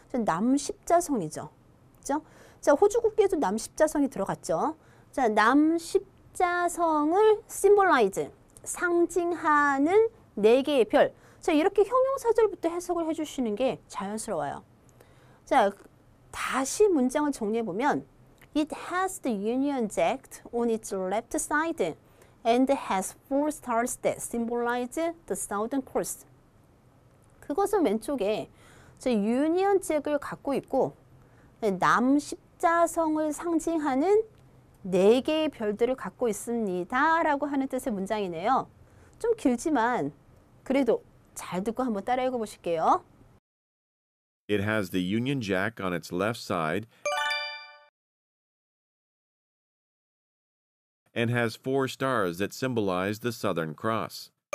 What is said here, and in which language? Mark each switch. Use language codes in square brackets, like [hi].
[ko] 자, 남십자성이죠. 그죠? 자, 호주 국기에도 남십자성이 들어갔죠. 자, 남십자성을 symbolize. 상징하는 네 개의 별. 자, 이렇게 형용사절부터 해석을 해주시는 게 자연스러워요. 자, 다시 문장을 정리해보면 [en] It has the Union Jack on its left side and has four stars that symbolize the Southern Cross. [ko] 그것은 왼쪽에 저 Union Jack을 갖고 있고 남십자성을 상징하는 네 개의 별들을 갖고 있습니다. 라고 하는 뜻의 문장이네요. 좀 길지만 그래도 잘 듣고 한번 따라 읽어보실게요. [en] It has the Union Jack on its left side and has four stars that symbolize the Southern Cross.